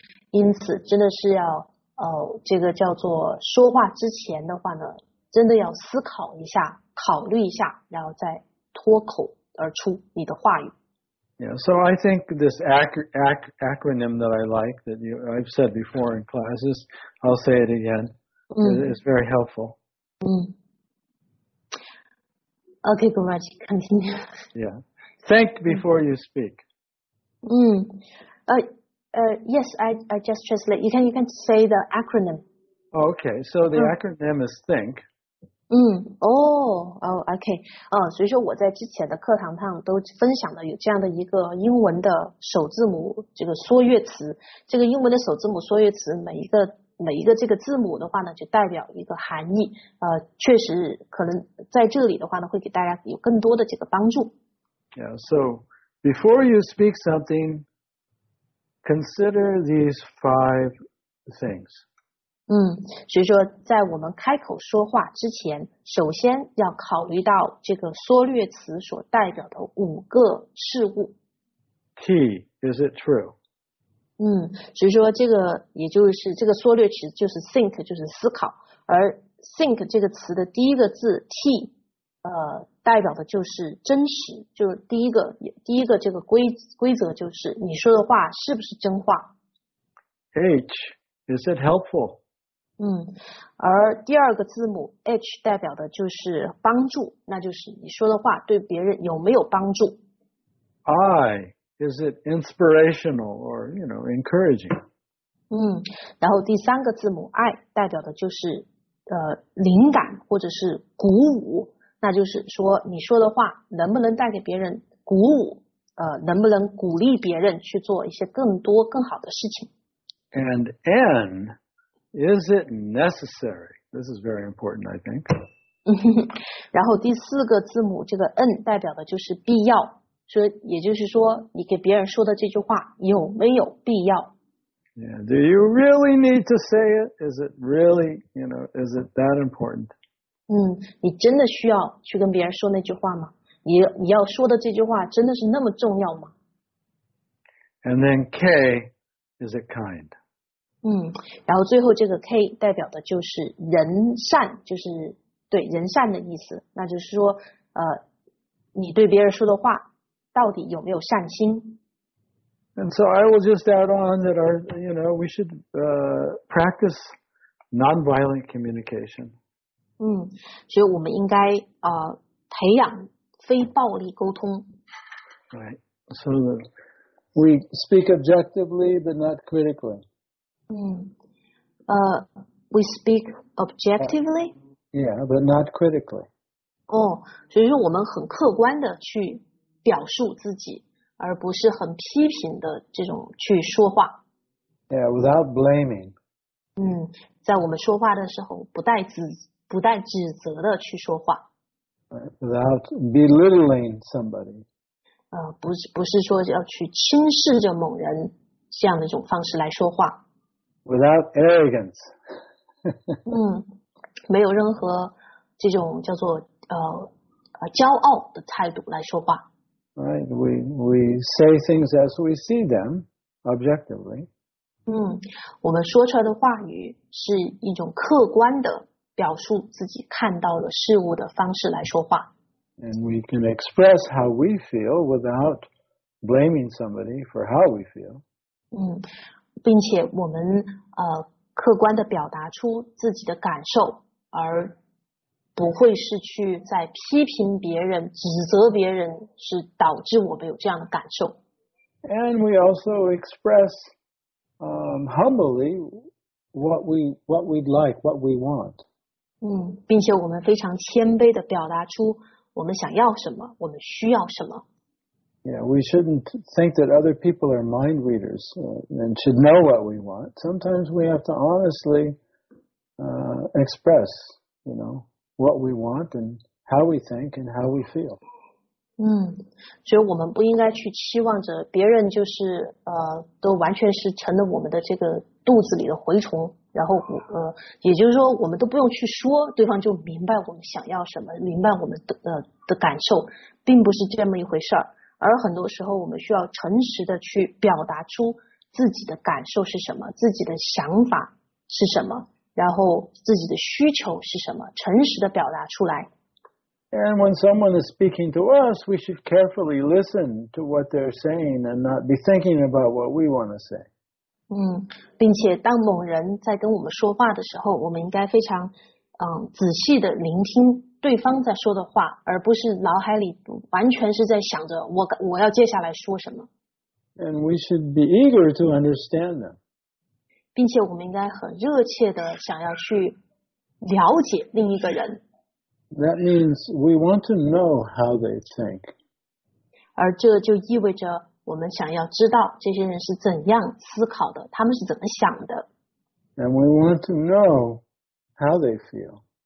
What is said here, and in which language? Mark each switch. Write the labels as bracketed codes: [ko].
[zh] 因此真的是要这个叫做说话之前的话呢，真的要思考一下，考虑一下，然后再脱口。而出你的话语。 [en] Yeah, so I think this acronym that I like that I've said before in classes, I'll say it again. It's very helpful. Okay, Guruji, continue. Yeah, think before you speak. Yes, I just translate. You can say the acronym. Okay, so the acronym is think. [zh] 所以说我在之前的课堂上都分享了有这样的一个英文的首字母这个缩略词，这个英文的首字母缩略词每一个这个字母的话呢就代表一个含义，确实可能在这里的话呢会给大家有更多的这个帮助。 [en] Yeah, so before you speak something, consider these five things. [zh] 所以说在我们开口说话之前，首先要考虑到这个缩略词所代表的五个事物。 [en] Key, is it true? [zh] 所以说这个也就是这个缩略词就是 think 就是思考，而 think 这个词的第一个字 t 代表的就是真实，就是第一个这个规则就是你说的话是不是真话。 [en] H is it helpful？ [zh] 而第二个字母 H 代表的就是帮助，那就是你说的话对别人有没有帮助。 [en] I is it inspirational or you know encouraging？ [zh] 然后第三个字母 I 代表的就是灵感或者是鼓舞。那就是说你说的话能不能带给别人鼓舞，能不能鼓励别人去做一些更多更好的事情。 [en] And N, is it necessary? This is very important, I think. [zh] 然后第四个字母这个 N 代表的就是必要，所以也就是说你给别人说的这句话有没有必要。 [en] Yeah, do you really need to say it? Is it really, you know, is it that important? [zh] 你真的需要去跟别人说那句话吗？你要说的这句话真的是那么重要吗？ [en] And then K, is it kind? [zh] 然后最后这个 K 代表的就是人善，就是对人善的意思，那就是说你对别人说的话到底有没有善心。 [en] And so I will just add on that our, you know, we should practice non-violent communication. [zh] 所以我们应该培养非暴力沟通。 [en] Right. So that we speak objectively but not critically. We speak objectively? Yeah, but not critically. [zh] 所以说我们很客观的去表述自己，而不是很批评的这种去说话。 [en] Yeah, without blaming. [zh] 在我们说话的时候不带自己。不带指责的去说话。 [en] Without belittling somebody. [zh] 不是说要去轻视着某人这样的一种方式来说话。 [en] Without arrogance. [zh] 没有任何这种叫做骄傲的态度来说话。 [en] Right, we say things as we see them, objectively. [zh] 我们说出来的话语是一种客观的表述自己看到的事物的方式来说话。 [en] And we can express how we feel without blaming somebody for how we feel. [zh] 并且我们客观地表达出自己的感受，而不会是去在批评别人、指责别人，是导致我们有这样的感受。 [en] And we also express humbly what we'd like, what we want. [zh] 并且我们非常谦卑地表达出我们想要什么，我们需要什么。 [en] Yeah, we shouldn't think that other people are mind readers and should know what we want. Sometimes we have to honestly express, you know, what we want and how we think and how we feel. [zh] 所以我们不应该去期望着别人就是都完全是成了我们的这个肚子里的蛔虫。然后也就是说我们都不用去说，对方就明白我们想要什么，明白我们 的感受，并不是这么一回事儿。而很多时候我们需要诚实的去表达出自己的感受是什么，自己的想法是什么，然后自己的需求是什么，诚实的表达出来。 [en] And when someone is speaking to us, we should carefully listen to what they're saying and not be thinking about what we want to say. [zh] 并且当某人在跟我们说话的时候，我们应该非常仔细的聆听对方在说的话，而不是脑海里完全是在想着我要接下来说什么。 [en] And we should be eager to understand them. [zh] 并且我们应该很热切的想要去了解另一个人。 [en] That means we want to know how they think. [zh] 而这就意味着我们想要知道这些人是怎样思考的，他们是怎么想的。 [en] And we want to know how they feel.